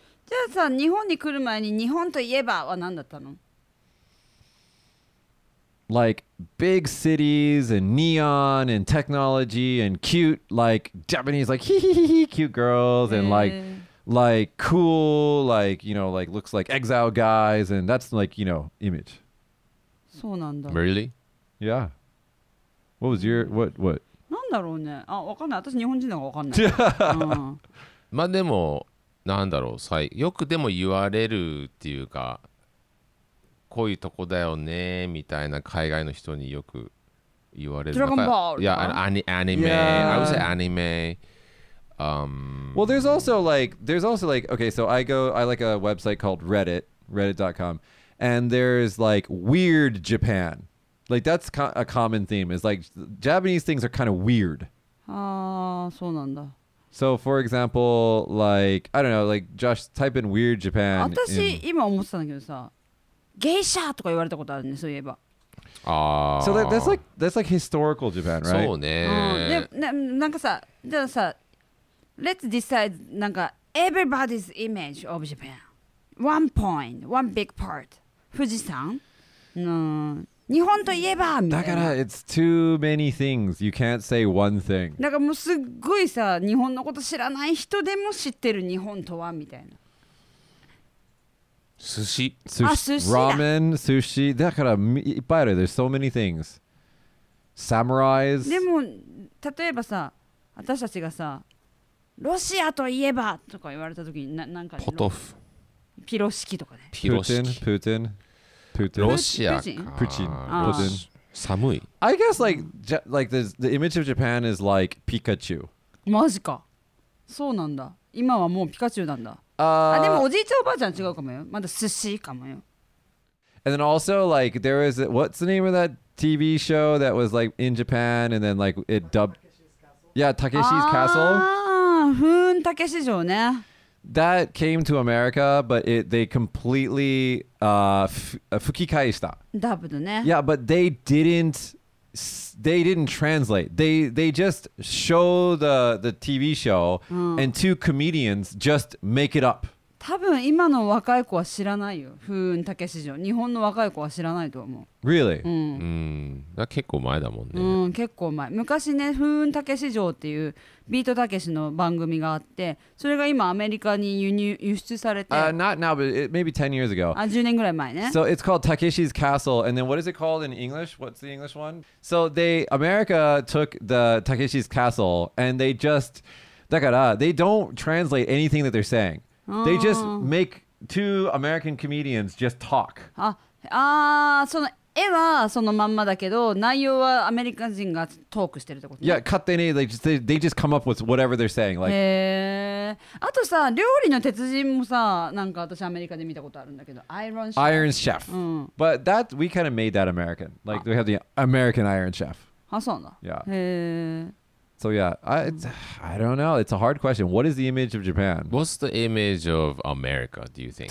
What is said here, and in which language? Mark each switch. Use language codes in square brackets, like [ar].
[ja] じゃあさ、日本に来る前に日本といえばは何だったの? [en] Like big cities and neon and technology and cute like Japanese like cute girls and like cool like you know like looks like exile guys and that's like you know image. [ja] そうなんだ。 [en] Really? Yeah. What was your what? [ja] なんだろうね。あ、わかんない。私日本人だからわかんない。まあでも。なんだろう、よくでも言われるっていうか、こういうとこだよねみたいな海外の人によく言われる。ドラゴンボール。いや、アニメ。 [en] Yeah. I would say anime. Well, there's also like, okay, so I like a website called Reddit, reddit.com, and there's like weird Japan. Like that's a common theme. Is like Japanese things are kind of weird. [ja] Ah, そうなんだ。 [en] So, for example, like, I don't know, like, Josh, type in weird Japan. [ja] 私、今思ってたんだけどさ、ゲイシャーとか言われたことあるね、そういえば。ああ。 [en] So, that's like historical Japan, right? [ja] そうね。なんかさ、じゃあさ、 [en] let's decide, [ja] なんか、 [en] everybody's image of Japan. One point, one big part. 富士山?No. [ja] 日本といえばみたいな。だから [en] it's too many things. You can't say one thing. [ja] だからもうすっごいさ、日本のこと知らない人でも知ってる日本とはみたいな。寿司。あ、寿司だ。ラーメン、寿司。だからいっぱいある。 [en] There's so many things. Samurais. [ja] でも例えばさ、私たちがさ、ロシアといえばとか言われた時に なんか。ポトフ。ピロシキとかね。ピロシキ。プーチン。ロシアプーチン、ロシア、寒い。 [en] I guess like the image of Japan is like ピカチュウ。 [ja] マジか。そうなんだ。今はもうピカチュウなんだ。あ、でもおじいちゃんおばあちゃん違うかもよ。まだ寿司かもよ。 [en] And then also like there is what's the name of that TV show that was like in Japan and then like it dubbed? Yeah, Takeshi's Castle. [ja] ああ、ふん、たけし城ね。 [en] That came to America, but they completely [ja] fukikaeshita. [en] Dubbed, ne? Yeah, but they didn't translate. They just show the TV show, and two comedians just make it up. [ja] 多分今の若い子は知らないよ。風雲武史上、日本の若い子は知らないと思う。 [en] Really? [ja] だ結構前だもんね。結構前。昔ね、風雲武史上っていうビートたけしの番組があって、それが今アメリカに輸出されて。 [en] Not now, but it, maybe 10 years ago. [ja] 10年ぐらい前ね。 [en] So it's called Takeshi's Castle, and then what is it called in English? What's the English one? So America took the Takeshi's Castle, and they just, [ja] だから [en] they don't translate anything that they're saying. They just make two American comedians just talk. [ja] その絵はそのまんまだけど、内容はアメリカ人がトークしてるってこと、ね、 [en] Yeah, [ja] 勝手に [en] they just come up with whatever they're saying. Like, [ja] あとさ、料理の鉄人もさ、なんか私アメリカで見たことあるんだけど、 [en] Iron Chef.、 [ja] うん、 [en] But that, we kind of made that American. Like, we have the American Iron Chef. [ja] あ、そうなんだ。 [en] Yeah. へー。 So yeah, I don't know. It's a hard question. What is the image of Japan? What's the image of America, do you think?